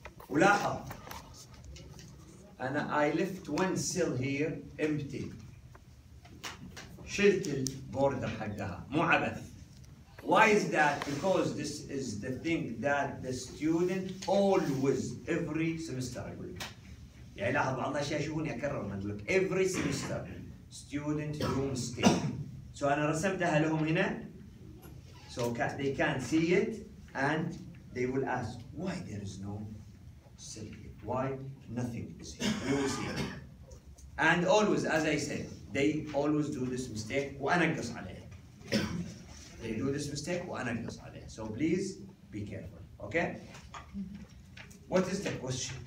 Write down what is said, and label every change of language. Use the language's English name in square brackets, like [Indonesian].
[Arabic] ولاحظ أنا [English] I left one cell here empty. [Arabic] شلت البوردر حقها، مو عبث. [English] Why is that? Because this is the thing that the student always, every semester, I believe. [Arabic] يعني لاحظ بعض الأشياء يشوفوني أكرر، أقول لك [English] every semester student do mistake. [Arabic] So أنا رسمتها لهم هنا. [English] So they can see it and they will ask why there is no circuit, why nothing is here. You will see it. And always, as I said, they always do this mistake [Arabic] وأنا أقص عليه. [English] They do this mistake [Arabic] وأنا أقص عليه. [English] So please be careful. Okay? What is the question?